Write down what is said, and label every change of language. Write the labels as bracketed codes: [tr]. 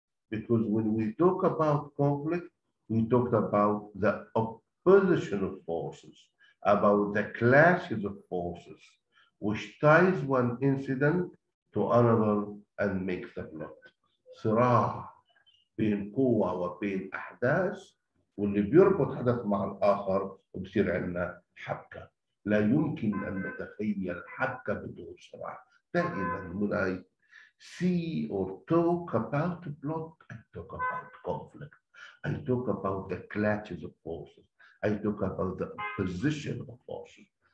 [en] Because when we talk about conflict, we talk about the opposition of forces, about the clashes of forces, which ties one incident to another and makes the plot. [ar] صراع بين قوة وبين أحداث واللي بيربط حدث مع الآخر وبصير عندنا حبكة. لا يمكن أن نتخيل حبكة بدون سرعة. دائماً [en] when I see or talk about a plot, I talk about conflict. I talk about the clashes of forces. I talk about the opposition of forces.